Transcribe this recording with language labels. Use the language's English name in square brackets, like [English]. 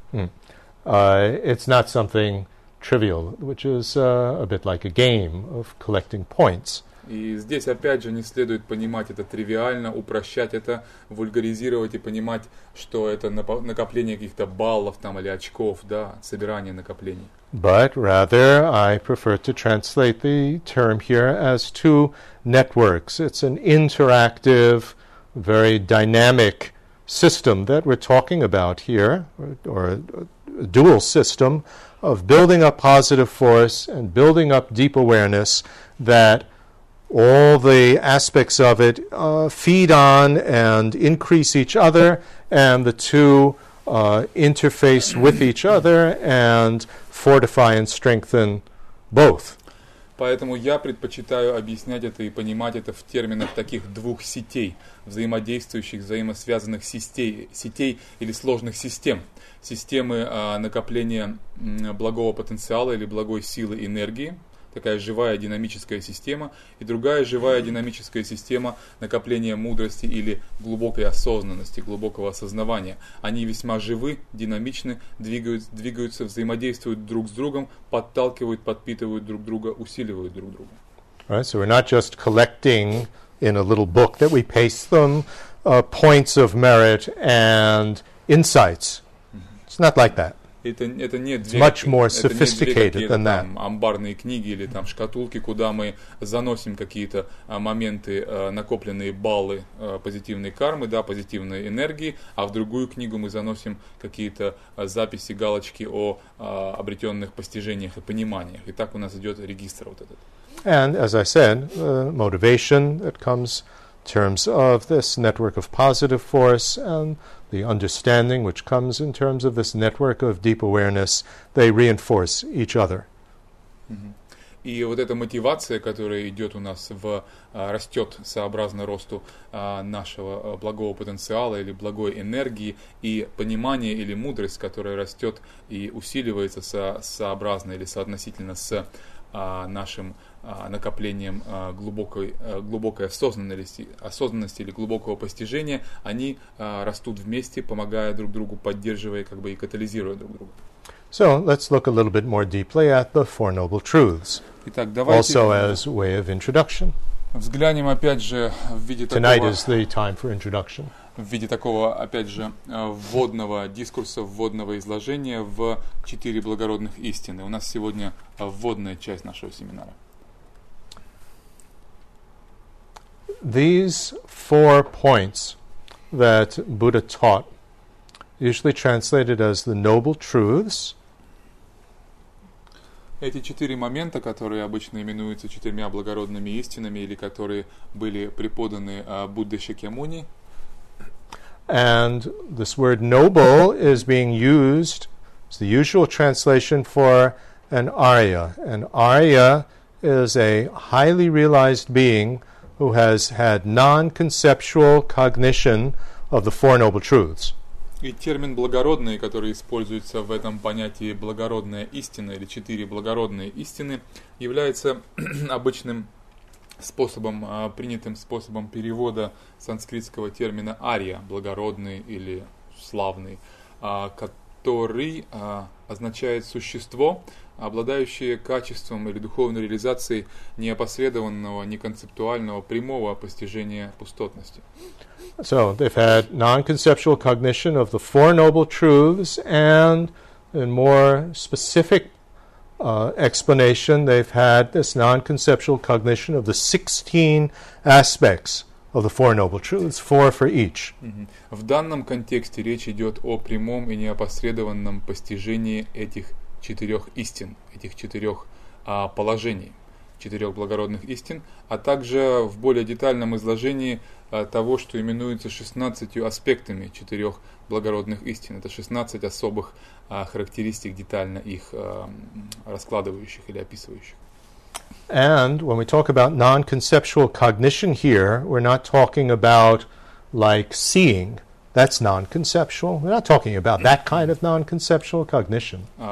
[English] It's not something trivial, which is a bit like a game of collecting points. [Russian] И здесь, опять же, не следует понимать это тривиально, упрощать это, вульгаризировать и понимать, что это накопление каких-то баллов там, или очков, да, собирание накоплений. [English] But rather, I prefer to translate the term here as two networks. It's an interactive, very dynamic system that we're talking about here, or dual system of building up positive force and building up deep awareness that all the aspects of it feed on and increase each other, and the two interface with each other and fortify and strengthen both. [Russian] Поэтому я предпочитаю объяснять это и понимать это в терминах таких двух сетей, взаимодействующих, взаимосвязанных сетей или сложных систем. Системы накопления благого потенциала или благой силы энергии, такая живая динамическая система, и другая живая динамическая система накопления мудрости или глубокой осознанности, глубокого осознавания. Они весьма живы, динамичны, двигаются, взаимодействуют друг с другом, подталкивают, подпитывают друг друга, усиливают друг друга. [English] Right, so we're not just collecting in a little book that we paste them points of merit and insights. It's not like that. [Russian] Это не две, [English] it's much more sophisticated [Russian] это не две, [English] than that. [Russian] Амбарные книги или там шкатулки, куда мы заносим какие-то моменты, накопленные баллы позитивной кармы, да, позитивной энергии, а в другую книгу мы заносим какие-то записи, галочки о обретенных постижениях и пониманиях. И так у нас идет регистр вот этот. [English] And as I said, motivation that comes in terms of this network of positive force and the understanding which comes in terms of this network of deep awareness, they reinforce each other. [Russian] И вот эта мотивация, которая идет у нас в растет сообразно росту нашего благого потенциала или благой энергии, и понимание или мудрость, которая растет и усиливается сообразно или соотносительно с нашим накоплением глубокой осознанности или глубокого постижения, они растут вместе, помогая друг другу, поддерживая, как бы и катализируя друг друга. [English] So, let's look a little bit more deeply at the Four Noble Truths. [Russian] Итак, давайте [English] also as way of introduction. [Russian] Взглянем опять же в виде такого... [English] Tonight is the time for introduction. [Russian] В виде такого, опять же, вводного дискурса, вводного изложения в четыре благородных истины. У нас сегодня вводная часть нашего семинара. [English] These four points that Buddha taught, usually translated as the Noble Truths. [Russian] Эти четыре момента, которые обычно именуются четырьмя благородными истинами или которые были преподаны Будде Шакьямуни. [English] And this word noble is being used, it's the usual translation for an Arya. An Arya is a highly realized being who has had non-conceptual cognition of the Four Noble Truths. [Russian] И термин «благородные», который используется в этом понятии «благородная истина» или «четыре благородные истины», является обычным способом, принятым способом перевода санскритского термина «ария», «благородный» или «славный», который означает «существо», обладающее качеством или духовной реализацией неопосредованного, неконцептуального, прямого постижения пустотности. [English] So they've had non-conceptual cognition of the Four Noble Truths, and in more specific explanation, they've had this non-conceptual cognition of the 16 aspects of the Four Noble Truths, four for each. [Russian] В данном контексте речь идет о прямом и неопосредованном постижении этих четырех истин, этих четырех положений. Четырех благородных истин, а также в более детальном изложении того, что именуется 16 аспектами четырех благородных истин. Это 16 особых характеристик, детально их раскладывающих или описывающих. [English] And when we talk about non-conceptual cognition here, we're not talking about like seeing. That's non-conceptual. We're not talking about that kind of non-conceptual cognition.